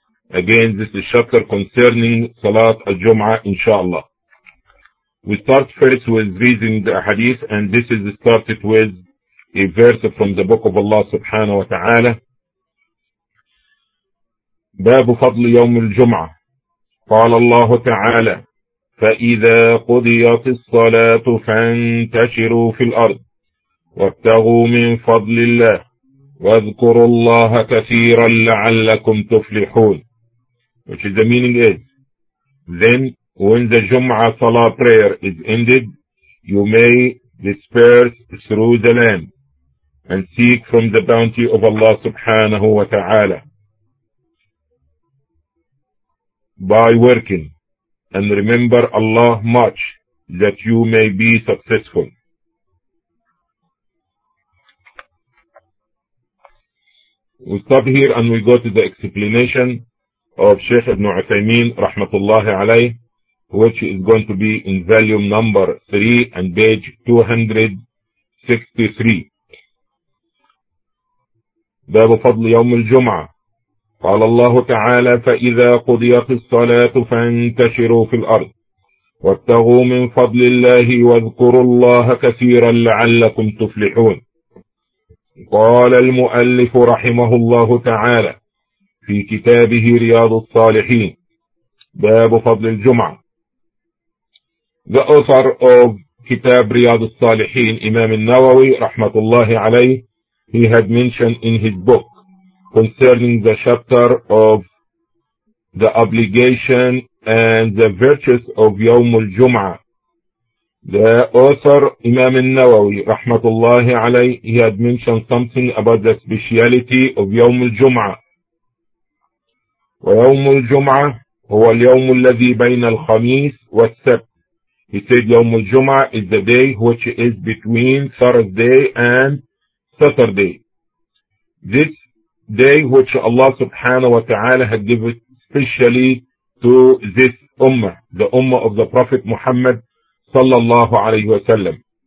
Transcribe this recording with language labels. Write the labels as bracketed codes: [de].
[en] Again, this is chapter concerning Salat al-Jum'ah, inshallah. We start first with reading the hadith, and this is started with a verse from the book of Allah subhanahu wa ta'ala. [ar] باب فضل يوم الجمعة. قال الله تعالى: فإذا قضيت الصلاة فانتشروا في الأرض وابتغوا من فضل الله واذكروا الله كثيرا لعلكم تفلحون. [en] Which is the meaning is, then when the Jumuah Salah prayer is ended, you may disperse through the land and seek from the bounty of Allah subhanahu wa ta'ala by working, and remember Allah much that you may be successful. We stop here and we go to the explanation of Sheikh Ibn Uthaymeen rahmatullahi alayh, which is going to be in volume number 3 and page 263. [ar] باب فضل يوم الجمعة. قال الله تعالى: فإذا قضيت الصلاة فانتشروا في الأرض وابتغوا من فضل الله واذكروا الله كثيرا لعلكم تفلحون. قال المؤلف رحمه الله تعالى في كتابه رياض الصالحين: باب فضل الجمعة. [en] The author of [ar] كتاب رياض الصالحين إمام النووي رحمة الله عليه, [en] he had mentioned in his book concerning the chapter of the obligation and the virtues of يوم الجمعة. The author Imam al-Nawawi rahmatullahi alayh, he had mentioned something about the speciality of يوم الجمعة. [ar] ويوم الجمعة هو اليوم الذي بين الخميس والسبت. [en] He said يوم الجمعة is the day which is between Thursday and Saturday. This day which Allah subhanahu wa ta'ala had given specially to this ummah, the ummah of the Prophet Muhammad sallallahu alayhi wa sallam.